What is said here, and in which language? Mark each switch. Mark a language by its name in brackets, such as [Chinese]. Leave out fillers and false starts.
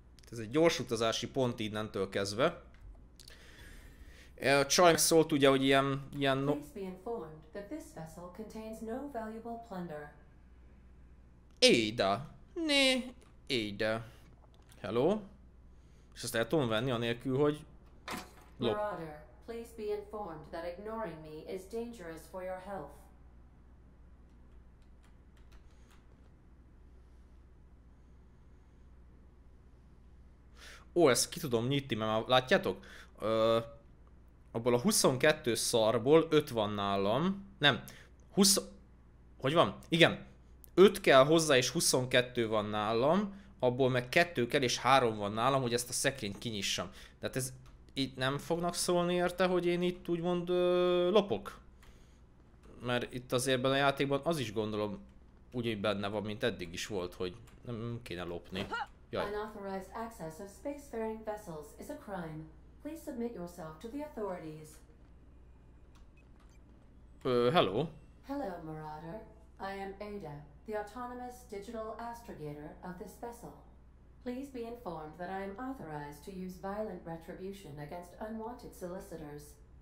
[Hungarian] Ez egy gyors utazási pont innentől kezdve. A csaj szólt ugye, hogy ilyen no... [English] Please be informed that this vessel contains no valuable plunder. [Hungarian] Éjda. Né, éjda. [English] Hello? [Hungarian] És ezt el tudom venni anélkül, hogy... [English] Marauder. Please be informed that ignoring me is dangerous for your health. [Hungarian] Ó, ezt ki tudom nyitni, mert már látjátok? Abból a 22 szarból 5 van nálam. Nem, 20... Hogy van? Igen. 5 kell hozzá és 22 van nálam. Abból meg 2 kell és 3 van nálam, hogy ezt a szekrényt kinyissam. Tehát ez... Itt nem fognak szólni érte, hogy én itt úgymond lopok. Mert itt azért ebben a játékban az is gondolom úgy benne van, mint eddig is volt, hogy nem kéne lopni. Jaj. [English] Unauthorized access of spacefaring vessels is a crime. Please submit yourself to the authorities. Hello. Hello, Marauder. I am Ada, the autonomous digital astrogator of this vessel. Please be informed that I am authorized to use violent retribution against unwanted solicitors.